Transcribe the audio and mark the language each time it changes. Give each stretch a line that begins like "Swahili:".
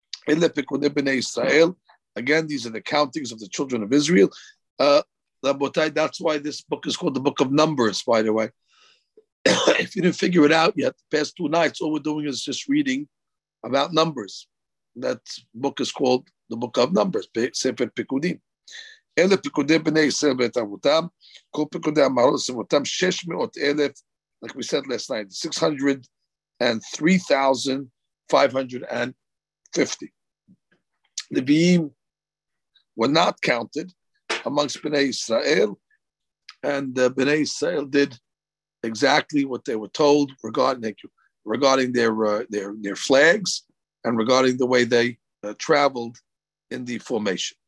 English: Again, these are the countings of the children of Israel. That's why this book is called the Book of Numbers, by the way. If you didn't figure it out yet, the past two nights, all we're doing is just reading about numbers. That book is called the Book of Numbers, Sefer Pikudim.
Hebrew: אלף פיקודי בני ישראל ואת אבותם, כל פיקודי המערות לסביבותם, 600,000,
English: like we said last night,
Hebrew: 603,550.
English: Levim were not counted amongst בני ישראל, and בני ישראל did exactly what they were told regarding their flags and regarding the way they traveled in the formation.